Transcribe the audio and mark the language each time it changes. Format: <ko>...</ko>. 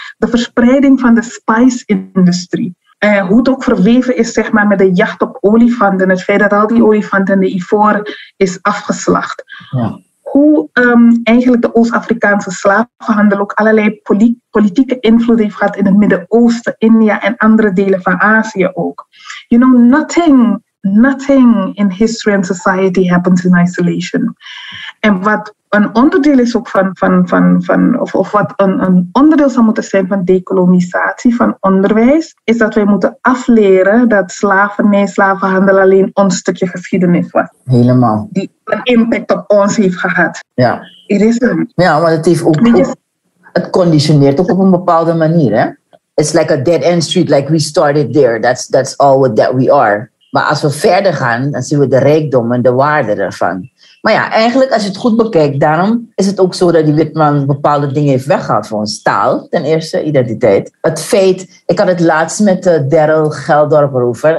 <nl>De verspreiding van de spice-industrie. Hoe het ook verweven is zeg maar, met de jacht op olifanten, het feit dat al die olifanten en de ivoor is afgeslacht. Ja. hoe eigenlijk de Oost-Afrikaanse slavenhandel ook allerlei politieke invloed heeft gehad in het Midden-Oosten, India en andere delen van Azië ook.</nl> <en>You know, nothing in history and society happens in isolation.</en> <nl>En wat een onderdeel is ook wat een onderdeel zou moeten zijn van decolonisatie, van onderwijs, is dat wij moeten afleren dat slavernij, slavenhandel alleen ons stukje geschiedenis was. Helemaal. Die een impact op ons heeft gehad. Ja.</nl> <en>It is</en> <nl>een... Ja, maar het heeft ook... Het conditioneert ook op een bepaalde manier, hè?</nl> <en>It's like a dead-end street, like we started there. That's all that we are.</en> <nl>Maar als we verder gaan, dan zien we de rijkdom en de waarde ervan. Maar ja, eigenlijk als je het goed bekijkt, daarom is het ook zo dat die witman bepaalde dingen heeft weggehaald voor ons. Taal, ten eerste, identiteit. Het feit, ik had het laatst met Daryl Geldorp over.</nl>